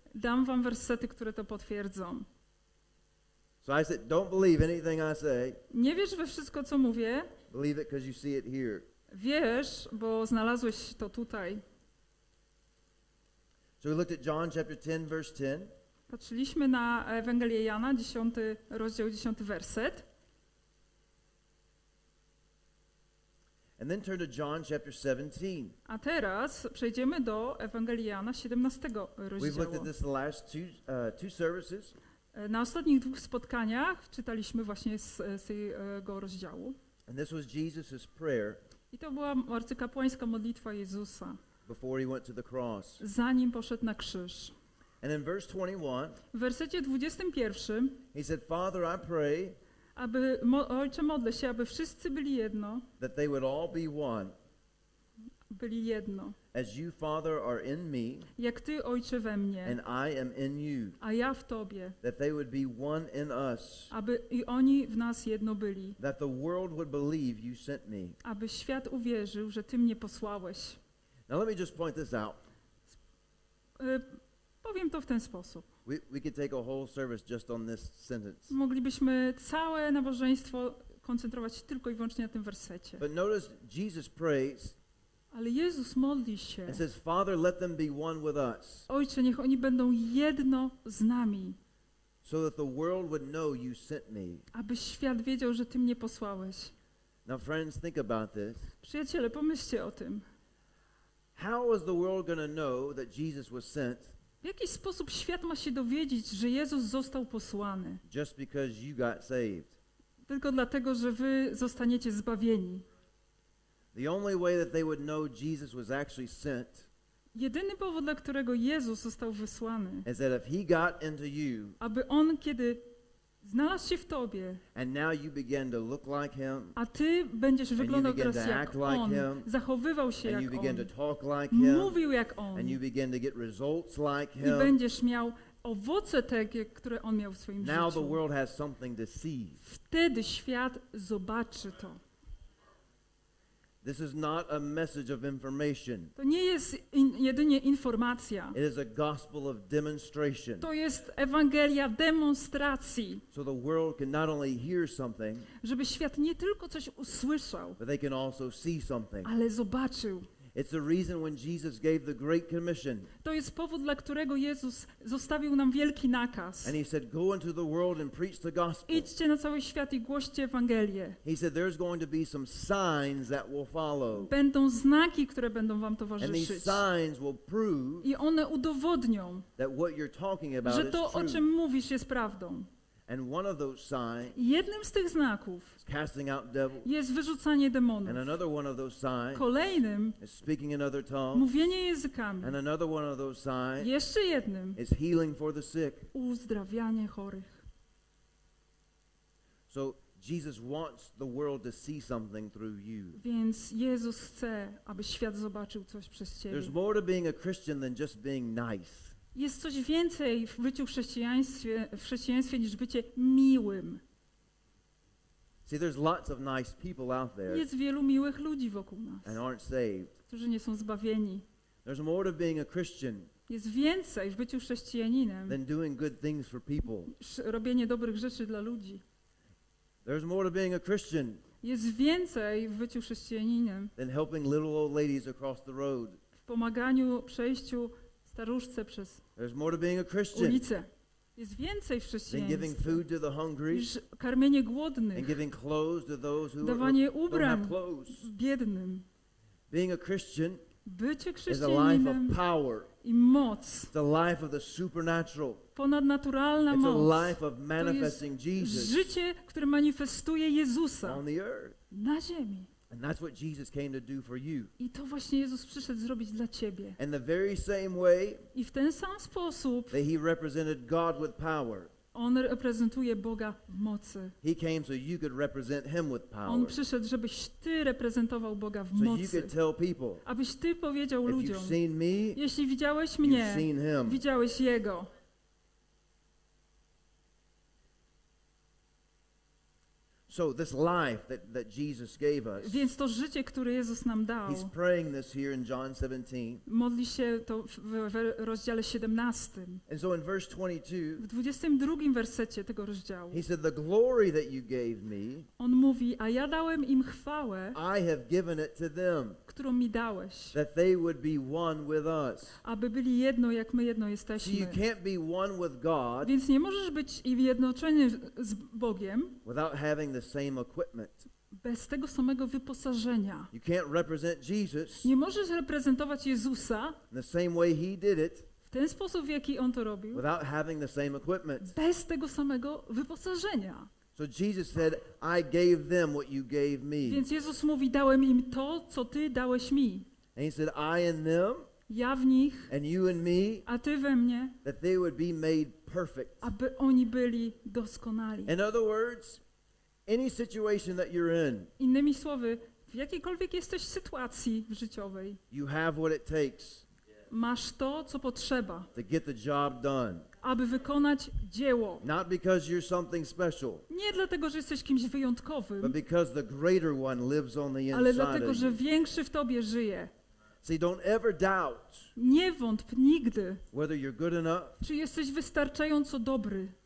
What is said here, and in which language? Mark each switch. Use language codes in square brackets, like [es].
[pl] Dam wam wersety, które to potwierdzą. [en] So I said, don't believe anything I say. [pl] Nie wierz we wszystko, co mówię. [en] Believe it because you see it here. [pl] Wierz, bo znalazłeś to tutaj. [en] So we looked at John chapter 10, verse 10. [pl] Patrzyliśmy na Ewangelię Jana, 10 rozdział, 10 werset. [en] And then turn to John chapter 17. [pl] A teraz przejdziemy do Ewangelii Jana, 17 rozdziału. [en] We've looked at this the last two services. [pl] Na ostatnich dwóch spotkaniach czytaliśmy właśnie z tego rozdziału. [en] And this was Jesus's prayer. [pl] I to była arcykapłańska modlitwa Jezusa. [en] Before he went to the cross. [pl] Zanim poszedł na krzyż. [en] And in verse 21. [pl] W wersecie 21. [en] He said, Father, I pray. [pl] Aby Ojcze, modlę się, aby wszyscy byli jedno. [en] That they would all be one. [pl] Byli jedno. [en] As you, Father, are in me. [pl] Jak Ty, Ojcze, we mnie. [en] And I am in you. [pl] A ja w Tobie. [en] That they would be one in us. [pl] Aby i oni w nas jedno byli. [en] That the world would believe you sent me. [pl] Aby świat uwierzył, że Ty mnie posłałeś. [en] Now let me just point this out. [pl] Powiem to w ten sposób. [en] We could take a whole service just on this sentence. [pl] Moglibyśmy całe nabożeństwo koncentrować się tylko i wyłącznie na tym wersecie. [en] But notice Jesus prays. [pl] Ale Jezus modli się. [en] And says, Father, let them be one with us. [pl] Ojcze, niech oni będą jedno z nami. [en] So that the world would know you sent me. [pl] Aby świat wiedział, że Ty mnie posłałeś. [en] Now friends, think about this. [pl] Przyjaciele, pomyślcie o tym. [en] How is the world going to know that Jesus was sent? [pl] W jaki sposób świat ma się dowiedzieć, że Jezus został posłany? [en] Just because you got saved. [pl] Tylko dlatego, że wy zostaniecie zbawieni. [en] The only way that they would know Jesus was actually sent. [pl] Jedyny powód, dla którego Jezus został wysłany. [en] Is that if he got into you. [pl] Aby on kiedy znalazł się w tobie. [en] And now you begin to look like him. [pl] A ty będziesz wyglądał teraz jak [en] like [pl] on. [en] Him, [pl] zachowywał się [en] and [pl] jak [en] you begin [pl] on. [en] To talk like him, [pl] mówił jak on. [en] And you begin to get results like him. [pl] I będziesz miał owoce takie, które on miał w swoim [en] now [pl] życiu. [en] The world has something to see. [pl] Wtedy świat zobaczy to. [en] This is not a message of information. [pl] To nie jest jedynie informacja. [en] It is a gospel of demonstration. [pl] To jest Ewangelia demonstracji. [en] So the world can not only hear something, [pl] żeby świat nie tylko coś usłyszał, [en] but they can also see something. [pl] Ale zobaczył. [en] It's the reason when Jesus gave the great commission. [pl] To jest powód, dla którego Jezus zostawił nam wielki nakaz. [en] And he said, go into the world and preach the gospel. [pl] Idźcie na cały świat i głoście Ewangelię. [en] He said, there's going to be some signs that will follow. [pl] Będą znaki, które będą wam towarzyszyć. [en] And these signs will prove. [pl] I one udowodnią. [en] That what you're talking about is true. [pl] Że to, o czym mówisz, jest prawdą. [en] And one of those signs. [pl] Jednym z tych znaków. [en] Casting out devils. [pl] Jest wyrzucanie demonów. [en] And another one of those signs. [pl] Kolejnym. [en] Is speaking in other tongues. [pl] Mówienie językami. [en] And another one of those signs. [pl] Jeszcze jednym. [en] Is healing for the sick. [pl] Uzdrawianie chorych. [en] So Jesus wants the world to see something through you. [pl] Więc Jezus chce, aby świat zobaczył coś przez ciebie. [en] There's more to being a Christian than just being nice. [pl] Jest coś więcej w byciu w chrześcijaństwie niż bycie miłym. [en] See, there's lots of nice people out there. [pl] Jest wielu miłych ludzi wokół nas. [en] And aren't saved. [pl] Którzy nie są zbawieni. [en] There's more to being a Christian. [pl] Jest więcej w byciu chrześcijaninem. [en] Than doing good things for people. [pl] Robienie dobrych rzeczy dla ludzi. [en] There's more to being a Christian. [pl] Jest więcej w byciu chrześcijaninem. [en] Than helping little old ladies across the road. [pl] W pomaganiu przejściu staruszce przez ulicę. Jest więcej w chrześcijaństwie niż karmienie głodnych, dawanie ubrań biednym. [en] Being a Christian [pl] bycie chrześcijaninem i moc. [en] It's a life of the supernatural. [pl] Ponadnaturalna [en] it's [pl] moc. [en] A life of manifesting Jesus. [pl] Życie, które manifestuje Jezusa [en] on the earth. [pl] Na ziemi. [en] And that's what Jesus came to do for you. [pl] I to właśnie Jezus przyszedł zrobić dla ciebie. [en] And the very same way. [pl] I w ten sam sposób. [en] That he represented God with power. [pl] On reprezentuje Boga w mocy. [en] He came so you could represent him with power. [pl] On przyszedł, żebyś ty reprezentował Boga w mocy. [en] So you could tell people, [pl] abyś ty powiedział [en] if [pl] ludziom, [en] you've seen me, [pl] jeśli widziałeś mnie, [en] you've seen him. [pl] Widziałeś Jego. [en] So this life that, that Jesus gave us. [pl] Więc to życie, które Jezus nam dał. [en] He's praying this here in John 17. [pl] Modli się to w rozdziale 17. [en] And so in verse 22. [pl] W 22 wersecie tego rozdziału. [en] He said, "The glory that you gave me." [pl] On mówi, a ja dałem im chwałę. [en] I have given it to them. [pl] Którą mi dałeś. [en] That they would be one with us. [pl] Aby byli jedno, jak my jedno jesteśmy. [en] So you can't be one with God. [pl] Więc nie możesz być i w jednoczeniu z Bogiem. [en] Without having the same equipment. [pl] Bez tego samego wyposażenia. [en] You can't represent Jesus. [pl] Nie możesz reprezentować Jezusa. [en] In the same way he did it. [pl] W ten sposób, w jaki on to robił. [en] Without having the same equipment. [pl] Bez tego samego wyposażenia. [en] So Jesus said, I gave them what you gave me. [pl] Więc Jezus mówi, dałem im to, co ty dałeś mi. [en] And he said, I in them. [pl] Ja w nich. [en] And you in me. [pl] A ty we mnie. [en] That they would be made perfect. [pl] Aby oni byli doskonali. [en] In other words, any situation that you're in. [pl] Innymi słowy, w jakiejkolwiek jesteś sytuacji życiowej. [en] You have what it takes. [pl] Masz to, co potrzeba. [en] To get the job done. [pl] Aby wykonać dzieło. [en] Not because you're something special. [pl] Nie dlatego, że jesteś kimś wyjątkowym. [en] But because the greater one lives on the inside. [pl] Ale dlatego, że większy w tobie żyje. [en] See, don't ever doubt. [pl] Nie wątp nigdy. [en] Whether you're good enough. [pl] Czy jesteś wystarczająco dobry.